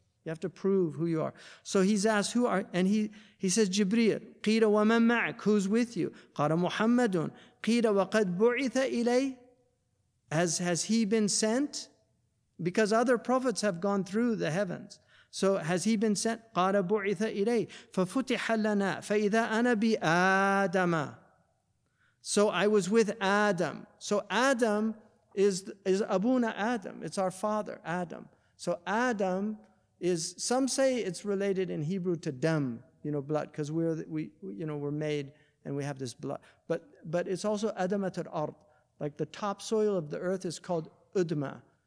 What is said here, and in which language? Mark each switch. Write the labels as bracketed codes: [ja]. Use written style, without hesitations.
[en] You have to prove who you are. So he's asked, who are, and he says, Jibreel. [ar] Qira wa man ma'ak, [en] who's with you? [ar] Qara Muhammadun. Qira wa qad bu'itha ilay, [en] has he been sent? Because other prophets have gone through the heavens. So has he been sent? [ar] قَالَ بُعِثَ إِلَيْهِ فَفُتِحَ لَنَا فَإِذَا أَنَا بِآدَمَ [en] So I was with Adam. So Adam is Abuna Adam. It's our father, Adam. So Adam is, some say it's related in Hebrew to dam, you know, blood, because we're made and we have this blood. But it's also [ar] أَدَمَةَ الْأَرْضِ [en] Like the topsoil of the earth is called udma.